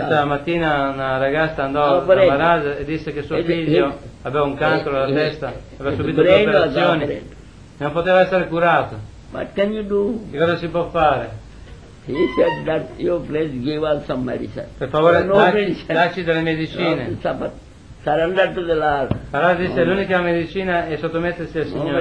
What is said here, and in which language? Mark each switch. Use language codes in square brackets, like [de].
[it] Questa mattina una ragazza andò a Marasa e disse che suo figlio aveva un cancro alla testa, aveva subito due operazioni, non poteva essere curato. [en] What can you do? [it] Che cosa si può fare? [en] He said that you please give us some medicine. [it] Per favore, no, dacci delle medicine. [en] Surrender to the Lord. [it] Allora dice, l'unica medicina è sottomettersi al Signore.